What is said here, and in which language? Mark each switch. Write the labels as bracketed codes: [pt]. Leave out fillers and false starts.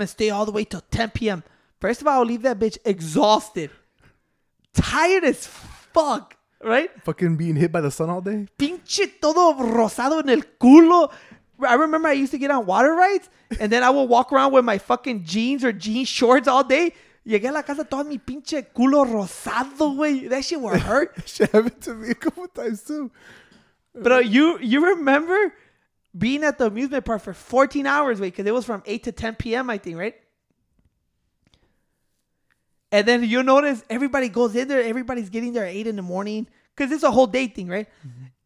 [en] and stay all the way till 10 p.m. First of all, I'll leave that bitch exhausted. Tired as fuck, right? Fucking being hit by the sun all day. [es] Pinche todo rosado en el culo. [en] I remember I used to get on water rides, and then I would walk around with my fucking jeans or jean shorts all day. [es] Llegué a la casa todo mi pinche culo rosado, güey. [en] That shit would hurt. Shit happened to me a couple times too. But you remember being at the amusement park for 14 hours, wait, because it was from 8 to 10 p.m., I think, right? And then you notice everybody goes in there. Everybody's getting there at 8 in the morning. Because it's a whole day thing, right? Mm-hmm.